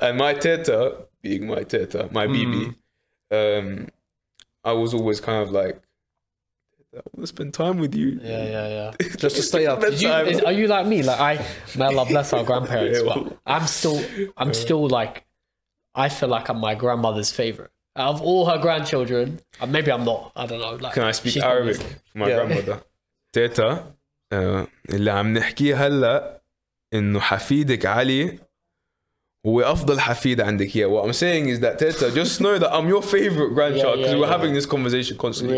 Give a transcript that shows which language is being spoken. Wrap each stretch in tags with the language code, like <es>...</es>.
<en>And my teta, being my teta, my BB, I was always kind of like, I want to spend time with you. Yeah. Just to stay up. Are you like me? Like, may Allah bless our grandparents. Yeah, well, but I'm still like, I feel like I'm my grandmother's favorite. Out of all her grandchildren, maybe I'm not. I don't know. Like, can I speak Arabic for my grandmother?</en> <ar>تيتا اللي عم نحكيه هلا إنه حفيدك علي هو أفضل حفيد عندك.</ar> <en>Yeah, what I'm saying is that Teta, just know that I'm your favorite grandchild, because having this conversation constantly.</en>